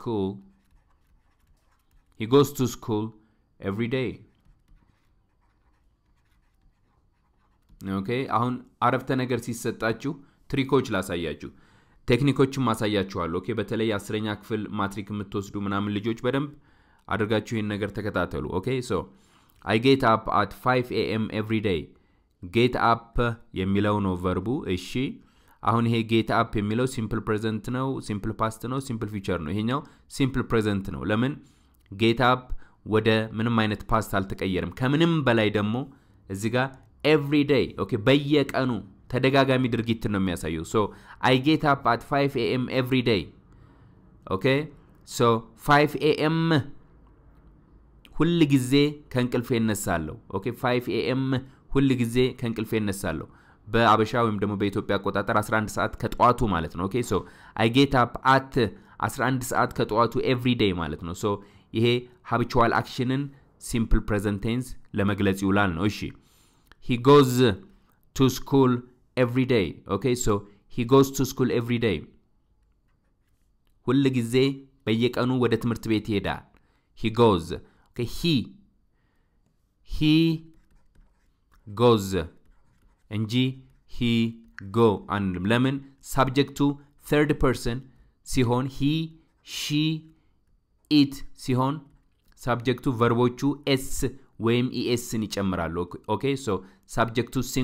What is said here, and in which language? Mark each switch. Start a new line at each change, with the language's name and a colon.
English: He goes to school every day.
Amharic: ኦኬ አሁን አረፍተ ነገር ሲሰጣችሁ ትሪኮች ላሳያችሁ ቴክኒኮችን ማሳያችኋለሁ። ኦኬ በተለይ 10ኛ ክፍል ማትሪክ የምትወስዱ ምናምን ልጆች በደንብ አድርጋችሁ ይሄን ነገር ተከታተሉ። ኦኬ
English: ሶ አይ ጌት አፕ አት 5 ኤኤም ኤቭሪ ዴይ።
Amharic: ጌት አፕ የሚለው ነው ቨርቡ። እሺ አሁን ይሄ ጌት አፕ የሚለው ሲምፕል ፕሬዘንት ነው ሲምፕል ፓስት ነው ሲምፕል ፊቸር ነው? ይሄኛው ሲምፕል ፕሬዘንት ነው። ለምን ጌት አፕ ወደ ምንም አይነት ፓስት አልተቀየረም? ከምንም በላይ ደግሞ እዚህ ጋር every day okay በየቀኑ ተደጋጋሚ ድርጊት ነው የሚያሳየው።
English: so i get up at 5 am every day.
Amharic: okay so 5 am ሁሉ ጊዜ ከእንቅልፌ እነሳለሁ። okay 5 am ሁሉ ጊዜ ከእንቅልፌ እነሳለሁ በአበሻ ወይም ደግሞ በኢትዮጵያ አቆጣጠር 11 ሰዓት ከጧቱ ማለት ነው። okay so i get up at 11 ሰዓት ከጧቱ every day ማለት ነው። so ይሄ habitual actionን
English: simple present tense
Amharic: ለመግለጽ ይውላል ነው እሺ
English: he goes to school every day okay so he goes to school every day
Amharic: ሁሉ ጊዜ በየቀኑ ወደ ትምህርት ቤት ይሄዳል
English: he goes okay he goes
Amharic: እንጂ he go አንልም ለምን subject to third person ሲሆን he she it ሲሆን subject to verbochu s ወይም es ን ይጨምራሉ okay so subject to